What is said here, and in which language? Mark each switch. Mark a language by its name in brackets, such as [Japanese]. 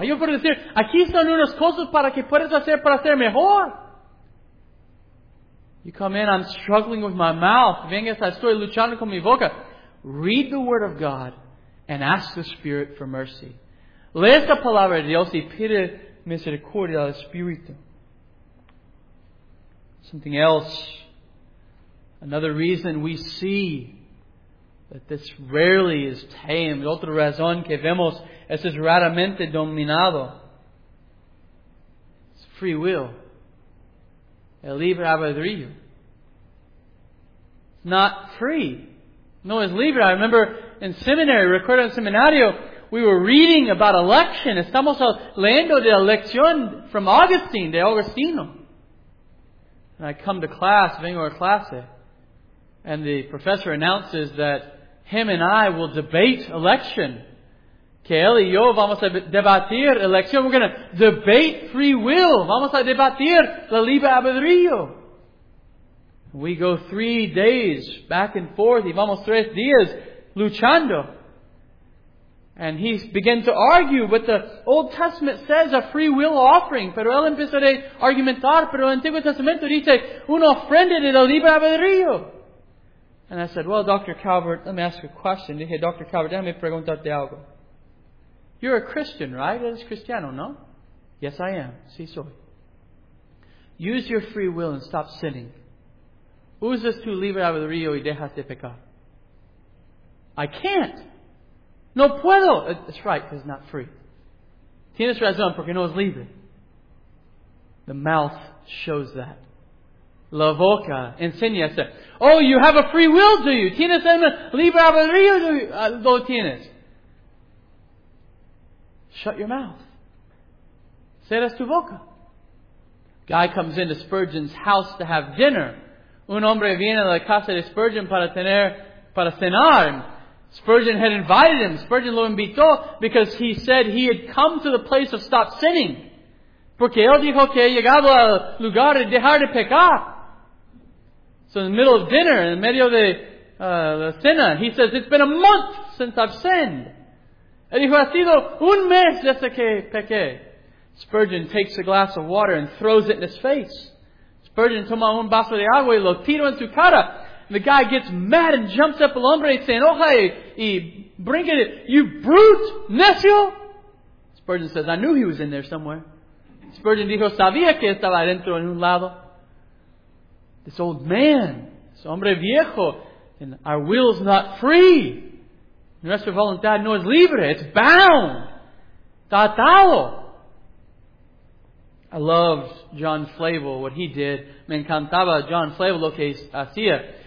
[Spanish] Yo puedo decir, aquí son unas cosas para que puedas hacer para ser mejor. [English] You come in, I'm struggling with my mouth. [Spanish] Venga, estoy luchando con mi boca. [English] Read the Word of God and ask the Spirit for mercy. [Spanish] Lee esta palabra de Dios y pide misericordia al Espíritu. [English] Something else. Another reason we see that this rarely is tamed. [Spanish] Otra razón que vemos es raramente dominado. [English] It's free will. [Spanish] El libre albedrío. [English] It's not free. [Spanish] No es libre. [English] I remember in seminary, [Spanish] recuerdo en seminario, [English] we were reading about election. [Spanish] Estamos leyendo de elección from Augustine, de Augustino. [English] And I come to class, [Spanish] vengo a clase, [English] and the professor announces that him and I will debate election. [Spanish] Que él y yo vamos a debatir elección. [English] We're going to debate free will. [Spanish] Vamos a debatir la libre albedrío. [English] We go 3 days back and forth. [Spanish] Y vamos 3 días luchando. [English] And he begins to argue what the Old Testament says a free will offering. [Spanish] Pero él empieza a argumentar. Pero el Antiguo Testamento dice una ofrenda de la libre albedrío. [English] And I said, well, Dr. Calvert, let me ask you a question. [Spanish] Dije, Dr. Calvert, déjame preguntarte algo. [English] You're a Christian, right? [Spanish] Eres cristiano, no? [English] Yes, I am. [Spanish] Sí, soy. [English] Use your free will and stop sinning. [Spanish] Usas tu libre albedrío y dejas de pecar. [English] I can't. [Spanish] No puedo. [English] That's right, because it's not free. [Spanish] Tienes razón, porque no es libre. [English] The mouth shows that. [Spanish] La boca enseña eso. [English] Oh, you have a free will, do you? [Spanish] ¿Tienes un libre albedrío? ¿Lo tienes? [English] Shut your mouth. [Spanish] Cierras tu boca. [English] Guy comes into Spurgeon's house to have dinner. [Spanish] Un hombre viene a la casa de Spurgeon para cenar. [English] Spurgeon had invited him. Spurgeon [Spanish] lo invitó [English] because he said he had come to the place of stop sinning. [Spanish] Porque él dijo que llegaba al lugar de dejar de pecar. [English] So in the middle of dinner, in the [Spanish] medio de la cena, [English] he says, it's been a month since I've sinned. [Spanish] Y dijo, ha sido un mes desde que pequé. [English] Spurgeon takes a glass of water and throws it in his face. [Spanish] Spurgeon toma un vaso de agua y lo tira en su cara. [English] And the guy gets mad and jumps up [Spanish] al hombre y [English] saying, oh, hey, y bring it, you brute, necio. Spurgeon says, I knew he was in there somewhere. [Spanish] Spurgeon dijo, sabía que estaba adentro en un lado. [English] This old man, this [Spanish] hombre viejo, [English] and our will is not free. [Spanish] Nuestra voluntad no es libre, [English] it's bound. [Spanish] Está atado. [English] I loved John Flavel, what he did. [Spanish] Me encantaba John Flavel lo que hacía.